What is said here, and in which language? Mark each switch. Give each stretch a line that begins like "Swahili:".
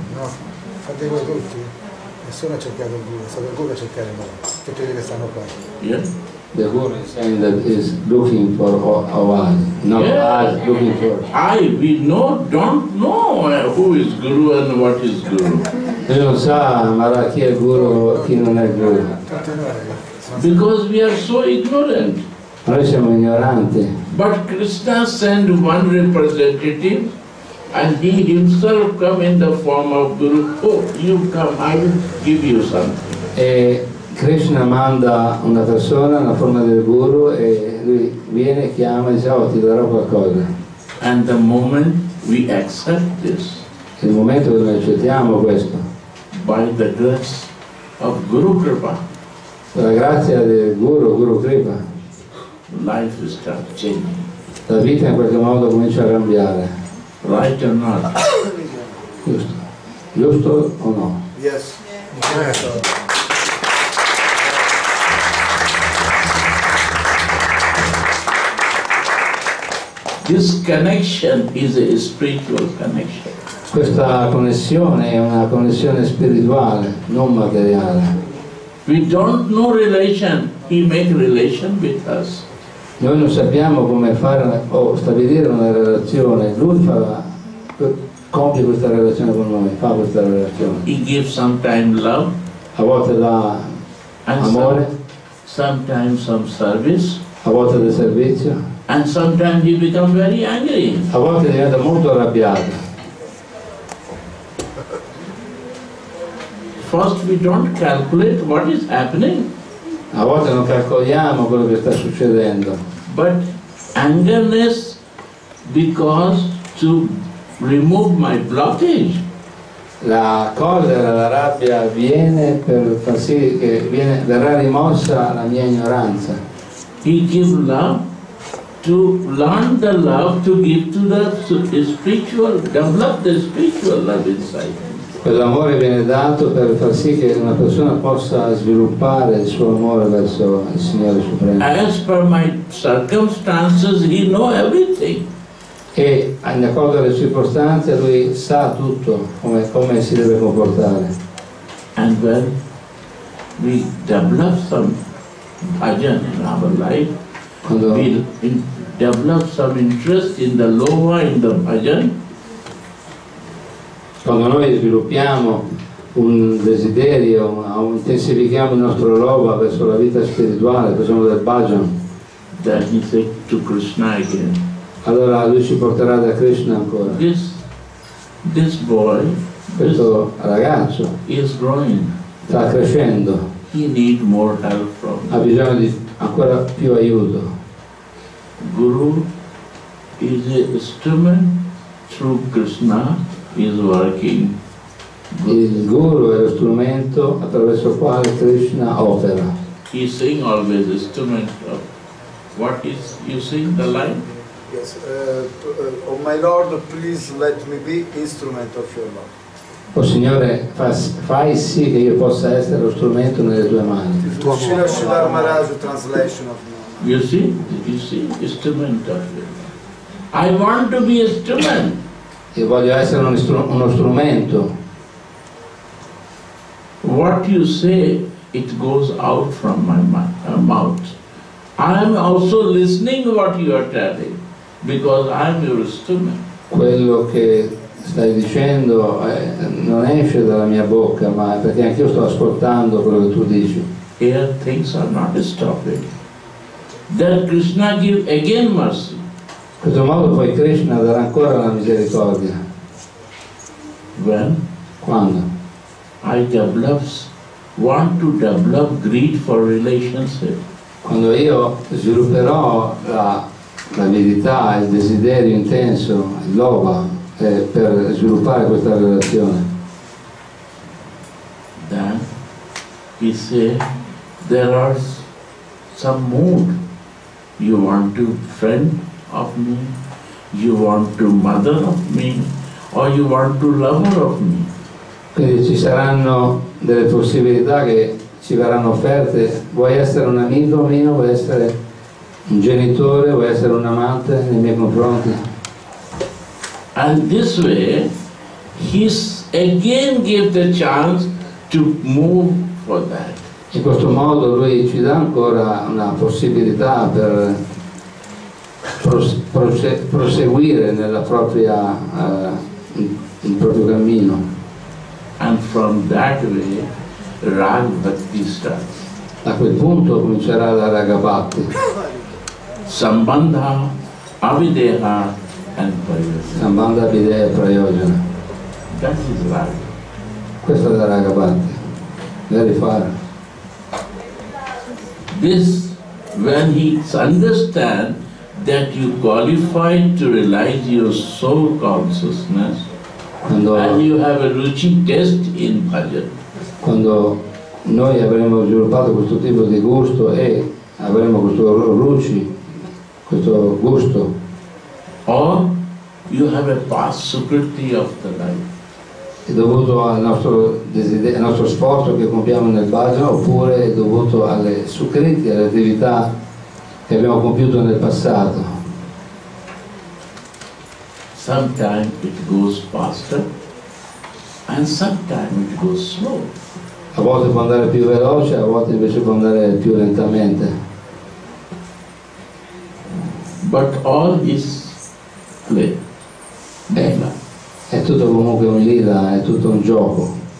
Italian: No, fate voi tutti, nessuno ha cercato il guru, è stato il guru a cercare noi, tutti quelli che stanno qua.
English: Yeah. The guru is saying that is looking for us, not us looking for us. We don't know who is guru and what is guru.
Italian: Lui non sa, Mara, chi è guru o chi non è guru.
English: Because we are so ignorant.
Italian: Noi siamo ignoranti.
English: But Krishna sent one representative and he himself come in the form of guru. Oh, you come, I will give you something.
Italian: E Krishna manda una persona nella forma del guru e lui viene, chiama e dice, oh, ti darò qualcosa.
English: And the moment we accept this.
Italian: Il momento che noi accettiamo questo.
English: By the grace of Guru Kripa.
Italian: La grazia del Guru, Guru Kripa.
English: Life is changing.
Italian: La vita in qualche modo comincia a cambiare.
English: Right or not?
Italian: Giusto. Giusto o no?
English: Yes. Yeah. This connection is a spiritual connection.
Italian: Questa connessione è una connessione spirituale, non materiale.
English: We don't know relation, he make relation with us.
Italian: Noi non sappiamo come fare o stabilire una relazione, lui fa, compie questa relazione con noi, fa questa relazione.
English: He gives sometimes love,
Italian: a volte dà amore,
English: sometimes some service,
Italian: a volte del servizio,
English: and sometimes he become very angry.
Italian: A volte diventa molto arrabbiato.
English: First we don't calculate what is happening.
Italian: A volte non calcoliamo quello che sta succedendo.
English: But angerness because to remove my blockage.
Italian: La collera, la rabbia viene per far sì che verrà rimossa la mia ignoranza.
English: He gives love to learn the love to give to the spiritual, develop the spiritual love inside.
Italian: Quell'amore viene dato per far sì che una persona possa sviluppare il suo amore verso il Signore Supremo.
English: As per my circumstances, he know everything.
Italian: E in accordo alle circostanze lui sa tutto come si deve comportare.
English: And when we develop some bhajan in our life,
Italian: quando
English: we develop some interest in the lova, in the bhajan.
Italian: Quando noi sviluppiamo un desiderio, intensifichiamo il nostro lova verso la vita spirituale, facciamo del bhajan,
English: then he said to Krishna again.
Italian: Allora lui ci porterà da Krishna ancora.
English: This boy,
Italian: questo ragazzo,
English: is growing.
Italian: Sta crescendo.
English: He need more help from
Italian: ha bisogno di ancora più aiuto.
English: Guru is an instrument through Krishna. Is working.
Italian: Il guru è lo strumento attraverso il quale Krishna opera.
English: He sing always instrument. What is you sing the line? Yes, oh my Lord, please let me be instrument of your love.
Italian: O Signore, fai sì che io possa essere lo strumento nelle tue mani. Il tuo Signore Shiva Maharaj,
English: translation of my love. You see, instrument of your love. I want to be instrument.
Italian: E voglio essere uno strumento.
English: What you say, it goes out from my mouth. I am also listening what you are telling, because I am your instrument.
Italian: Quello che stai dicendo non esce dalla mia bocca, ma perché anche io sto ascoltando quello che tu dici.
English: Here things are not stopping. Then Krishna give again mercy.
Italian: In questo modo poi Krishna darà ancora la misericordia.
English: When?
Italian: Quando?
English: I develop, want to develop greed for relationship.
Italian: Quando io svilupperò l'avidità, il desiderio intenso, il lova, per sviluppare questa relazione.
English: Then He said, there are some mood. You want to friend of me, you want to mother of me, or you want to lover of me.
Italian: Quindi ci saranno delle possibilità che ci verranno offerte. Vuoi essere un amico mio, vuoi essere un genitore, vuoi essere un amante nei miei confronti.
English: And this way he again gave the chance to move for that.
Italian: In questo modo lui ci dà ancora una possibilità per proseguire nella propria il proprio cammino.
English: And from that way Rag Bhakti starts.
Italian: Da quel punto comincerà la Raga Bhakti.
English: Sambandha, Avideha and Prayojana.
Italian: Sambandha, Avideha e Prayojana.
English: That is Raga.
Italian: Questa è la Raga Bhakti.
English: Very far. This, when he understands that you qualify to realize your soul consciousness,
Italian: quando,
English: and you have a ruchi test in bhajan.
Italian: Quando noi avremo sviluppato questo tipo di gusto e avremo questo ruchi, questo gusto.
English: Or you have a past sukriti of the life.
Italian: È dovuto al nostro desiderio, al nostro sforzo che compiamo nel bhajan, oppure è dovuto alle sukriti, alle attività che abbiamo compiuto nel passato.
English: Sometimes it goes faster and sometimes it goes slow.
Italian: A volte può andare più veloce, a volte invece può andare più lentamente.
English: But all is play.
Italian: Bella. È tutto comunque un lila, è tutto un gioco.